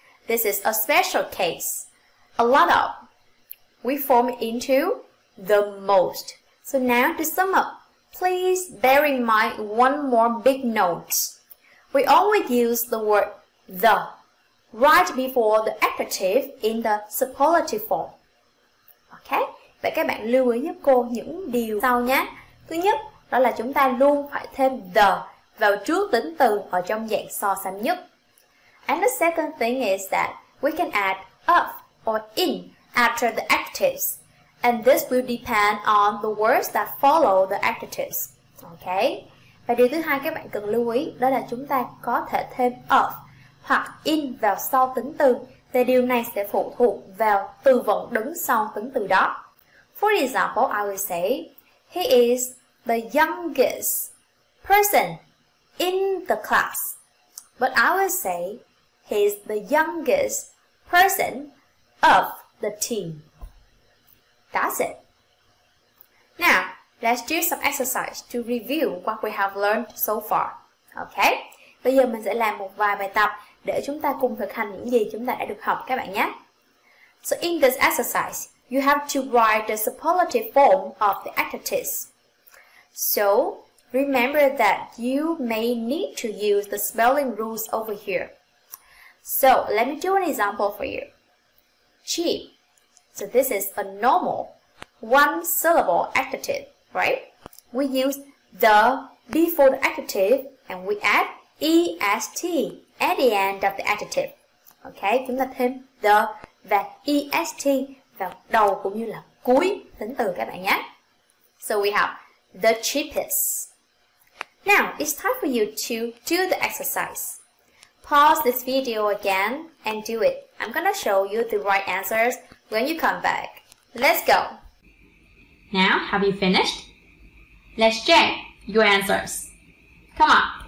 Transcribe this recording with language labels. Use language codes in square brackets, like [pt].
[en] This is a special case. A lot of. We form into the most. So now to sum up, please bear in mind one more big note. We always use the word the right before the adjective in the superlative form. Okay? [vi] Vậy các bạn lưu ý giúp cô những điều sau nhé. Thứ nhất, đó là chúng ta luôn phải thêm the vào trước tính từ ở trong dạng so sánh nhất. [en] And the second thing is that we can add of or in after the adjectives. And this will depend on the words that follow the adjectives. Okay? [vi] Và điều thứ hai các bạn cần lưu ý đó là chúng ta có thể thêm of hoặc in vào sau tính từ. Và điều này sẽ phụ thuộc vào từ vựng đứng sau tính từ đó. [en] For example, I will say he is the youngest person in the class. But I will say he's the youngest person of the team. That's it. Now, let's do some exercise to review what we have learned so far. Okay? [vi] Bây giờ mình sẽ làm một vài bài tập để chúng ta cùng thực hành những gì chúng ta đã được học các bạn nhé. [en] So in this exercise, you have to write the superlative form of the adjectives. So, remember that you may need to use the spelling rules over here. So, let me do an example for you. Cheap. So, this is a normal one-syllable adjective, right? We use the before the adjective and we add EST at the end of the adjective. [vi] Okay, chúng ta thêm the và EST vào đầu cũng như là cuối tính từ các bạn nhé. [en] So, we have the cheapest. Now, it's time for you to do the exercise. Pause this video again and do it. I'm gonna show you the right answers when you come back. Let's go! Now, have you finished? Let's check your answers. Come on!